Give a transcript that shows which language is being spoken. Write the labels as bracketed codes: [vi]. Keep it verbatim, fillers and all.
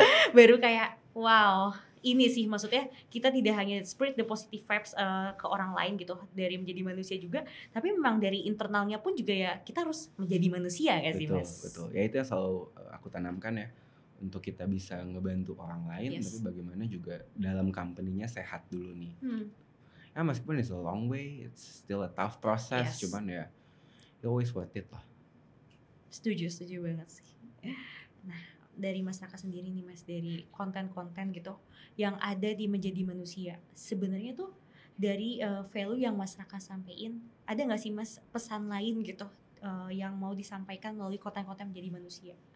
[id] Baru kayak wow, ini sih maksudnya kita tidak hanya [en] spread the positive vibes [id] uh, ke orang lain gitu dari menjadi manusia juga, tapi memang dari internalnya pun juga ya kita harus menjadi manusia gak sih betul, Mas? Betul, ya itu yang selalu aku tanamkan ya, untuk kita bisa ngebantu orang lain, [en] Yes. [id] tapi bagaimana juga dalam company-nya sehat dulu nih. Hmm. Ya meskipun [en] it's a long way, it's still a tough process, Yes. [id] cuman ya [en] it's always worth it lah. [id] Setuju, setuju banget sih. Nah, dari Mas Raka sendiri nih Mas, dari konten-konten gitu yang ada di Menjadi Manusia, sebenarnya tuh dari eh, value yang Mas Raka sampein, ada nggak sih Mas pesan lain gitu eh, yang mau disampaikan melalui konten-konten Menjadi Manusia?